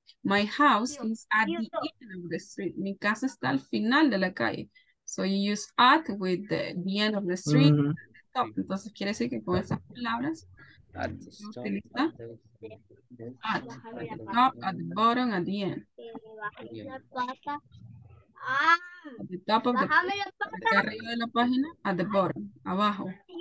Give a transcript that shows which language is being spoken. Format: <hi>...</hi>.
<en>My house is at the end of the street.</en> <es>Mi casa está al final de la calle.</es> <en>So you use at with the end of the street.</en> <es>Mm-hmm.</es> <en>The top.</en> <es>Entonces quiere decir que con esas palabras se utiliza</es> <en>at the top, at the bottom, at the end. At the top of the</en> <es>arriba de la página,</es> <en>at the bottom, abajo.</en>